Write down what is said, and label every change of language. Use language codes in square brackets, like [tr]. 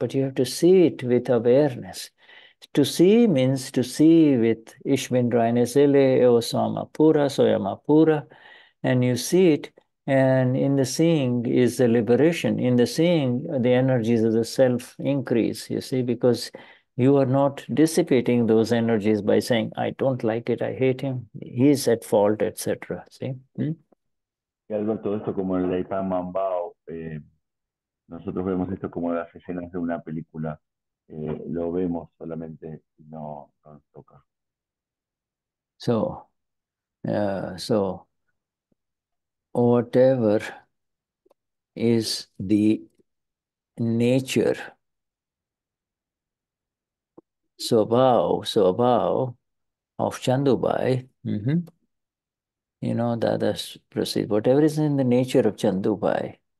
[en] But you have to see it with awareness. To see means to see with Ishvindrayanesele, Eosamapura, Soyamapura, and you see it. And in the seeing is the liberation. In the seeing, the energies of the self increase, you see, because you are not dissipating those energies by saying, I don't like it, I hate him, he is at fault, etc. See? [es] Y Alberto, esto como el Leipan Mambao, nosotros vemos esto como las escenas de una película. Lo vemos solamente, no nos toca. [en] So, whatever is the nature, swabhav of Chandubai, you know, Dadas proceeds, whatever is in the nature of Chandubai,